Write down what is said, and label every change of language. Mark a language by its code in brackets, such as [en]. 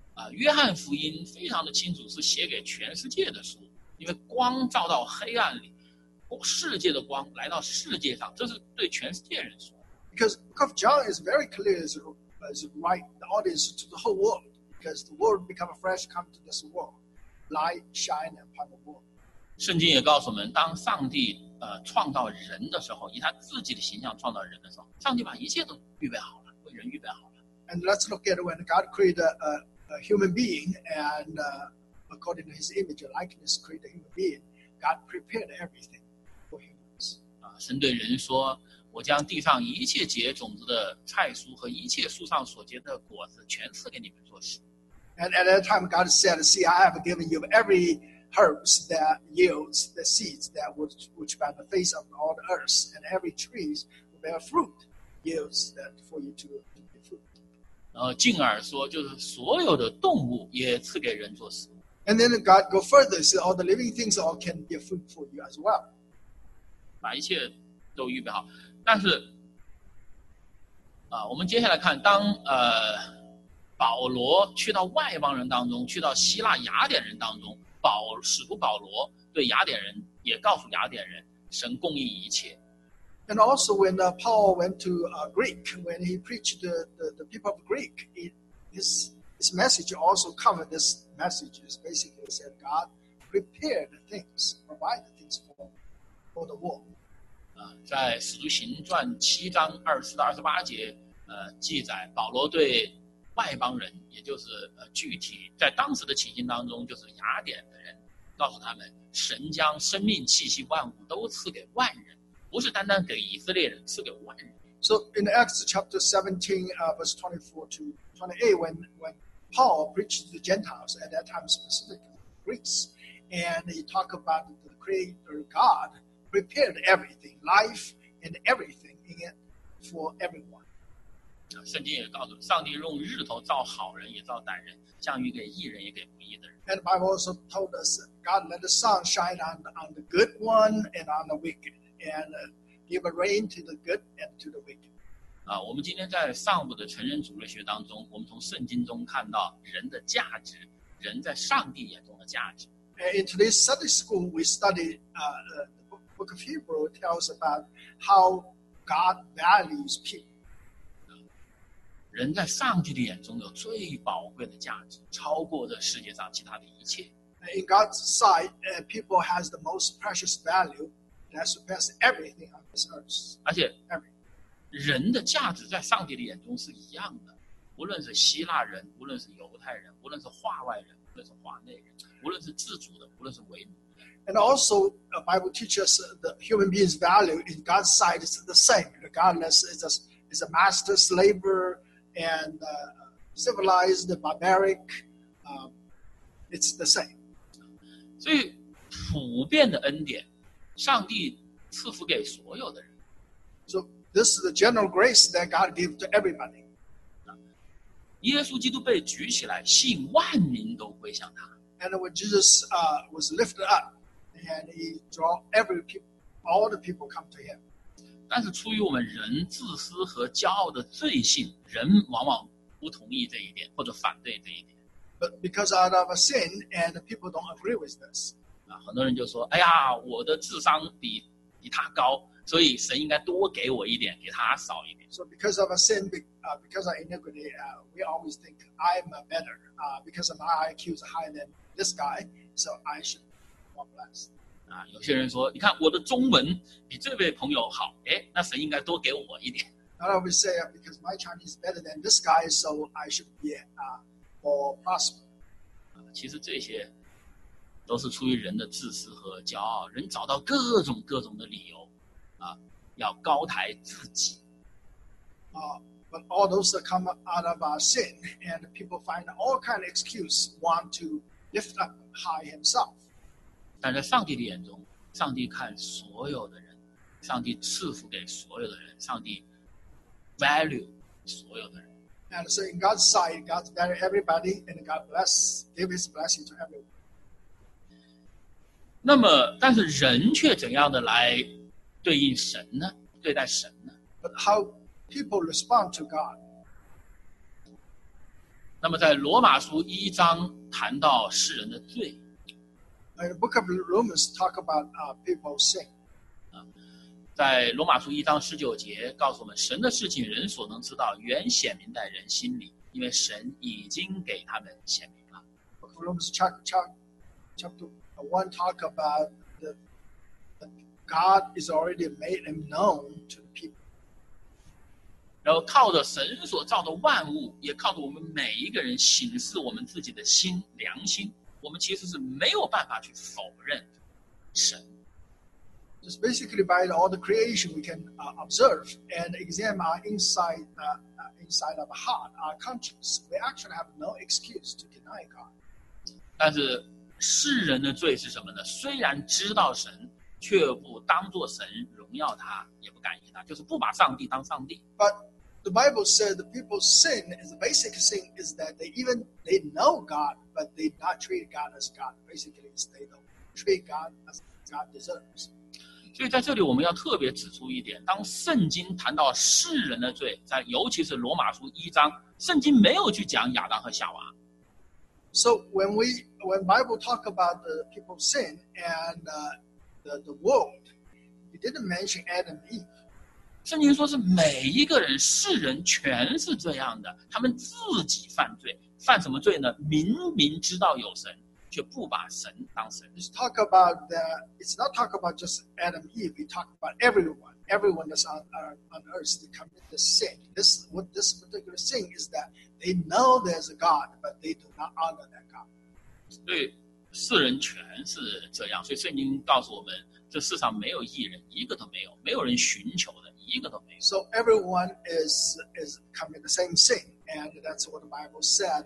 [zh] 约翰福音非常的清楚是写给全世界的书，因为光照到黑暗里，世界的光来到世界上，这是对全世界人说。 [en] Because John is very clear as write the audience to the whole world, because the world become fresh come to this world, light shine upon the world. [zh] 圣经也告诉我们，当上帝创造人的时候，以他自己的形象创造人的时候，上帝把一切都预备好了，为人预备好了。 [en] And let's look at when God created a human being, and according to His image and likeness, created a human being. God prepared everything. [zh] 神对人说，我将地上一切结种子的菜蔬和一切树上所结的果子全赐给你们做食。 [en] And at that time God said, see, I have given you every herbs that yields the seeds that which by the face of all the earth and every tree will bear fruit yields that for you to be fruit. [zh] 进而说就是所有的动物也赐给人做食。 [en] And then God go further, see, all the living things all can give fruit for you as well. [zh] 把一切都预备好，但是我们接下来看，当保罗去到外邦人当中，去到希腊雅典人当中，使徒保罗对雅典人也告诉雅典人，神供应一切。 [en] And also when Paul went to Greek, when he preached the people of Greek, his message also covered this message. It basically said God prepared things, provided things for the war. [zh] 在《使徒行传》七章二十四到二十八节，记载保罗对外邦人，也就是具体在当时的情形当中，就是雅典的人，告诉他们，神将生命气息万物都赐给万人，不是单单给以色列人，赐给万人。 [en] So in Acts chapter 17, verse 24 to 28, when Paul preached to the Gentiles at that time, specifically Greeks, and he talked about the Creator God. Prepared everything, life and everything in it for everyone. [zh] 圣经也告诉上帝用日头造好人也造歹人，降雨给义人也给不义的人。 [en] And the Bible also told us God let the sun shine on the good one and on the wicked, and give a rain to the good and to the wicked. [zh] 我们今天在上午的成人主日学当中，我们从圣经中看到人的价值，人在上帝眼中的价值。 [en] In today's Sunday school, we studied. Book of Hebrew tells about how God values people. [zh] 人在上帝的眼中有最宝贵的价值，超过这世界上其他的一切。 [en] In God's sight, people has the most precious value that surpasses everything on this earth. [zh] 而且，人的价值在上帝的眼中是一样的，无论是希腊人，无论是犹太人，无论是化外人，无论是化内人，无论是自主的，无论是为奴。 [en] And also, the Bible teaches the human being's value in God's sight is the same. Regardless, is a master, slaver, and civilized, barbaric, it's the same. [zh] 所以普遍的恩典，上帝赐福给所有的人。 [en] So this is the general grace that God gives to everybody. [zh] 耶稣基督被举起来，吸引万民都归向他。 [en] And when Jesus was lifted up,And he draw every people, all the people come to him. [zh] 但是出于我们人自私和骄傲的罪性，人往往不同意这一点，或者反对这一点。 [en] But because out of a sin, and the people don't agree with this. [zh] 很多人就说，哎呀，我的智商比他高，所以神应该多给我一点，给他少一点。 [en] So because of a sin, because of iniquity, we always think I'm better. Because of my IQ is higher than this guy, so I should. [zh] 有些人说，你看我的中文比这位朋友好，哎，那神应该多给我一点。 [en] Not always say because my Chinese is better than this guy, so I should be more prosper. [zh] 其实这些都是出于人的自私和骄傲，人找到各种各种的理由，要高抬自己。 [en] But all those come out of our sin, and people find all kind of excuse want to lift up high himself. [zh] 但在上帝的眼中，上帝看所有的人，上帝赐福给所有的人，上帝 value 所有的人。 [en] And so in God's sight, God values everybody, and God bless, give His blessing to everyone. [zh] 那么，但是人却怎样的来对应神呢？对待神呢 [en] ？But how people respond to God? [zh] 那么在罗马书一章谈到世人的罪。 [en] In the book of Romans, talk about people's sin. [zh] 在罗马书一章十九节告诉我们，神的事情人所能知道，原显明在人心里，因为神已经给他们显明了。 [en] Book of Romans chapter one talk about that God is already made him known to the people. [zh] 然后靠着神所造的万物，也靠着我们每一个人省视我们自己的心、良心。我们其实是没有办法去否认神。 [en] Just basically by all the creation we can observe and examine our inside of our heart, our conscience, we actually have no excuse to deny God. [zh] 但是世人的罪是什么呢？虽然知道神，却不当作神荣耀他，也不感谢他，就是不把上帝当上帝。 [en] But the Bible said the people's sin is the basic sin is that they know God. But they not treat God as God. Basically, they don't treat God as God deserves. [zh] 所以在这里我们要特别指出一点：当圣经谈到世人的罪，在尤其是罗马书一章，圣经没有去讲亚当和夏娃。 [en] So when Bible talk about the people's sin and the world, it didn't mention Adam and Eve. [zh] 圣经说是每一个人，世人全是这样的，他们自己犯罪，犯什么罪呢？明明知道有神，却不把神当神。 [en] It's talk about that. It's not talk about just Adam Eve. We talk about everyone. Everyone that's on earth to commit the sin. This what this particular sin is that they know there's a God, but they do not honor that God. [zh] 对，世人全是这样。所以圣经告诉我们，这世上没有义人，一个都没有，没有人寻求的，一个都没有。 [en] So everyone is commit the same sin, and that's what the Bible said.